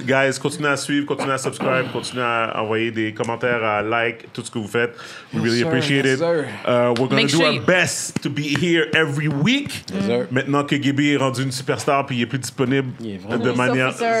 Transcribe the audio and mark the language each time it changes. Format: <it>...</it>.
<fr>Guys, continuez à suivre, continuez à subscribe, continuez à envoyer des commentaires, à like, tout ce que vous faites.</fr> <en>We really appreciate it. We're going to do our best to be here every week.</en> <fr>Maintenant que Gibby est rendu une superstar puis il n'est plus disponible de manière...</fr>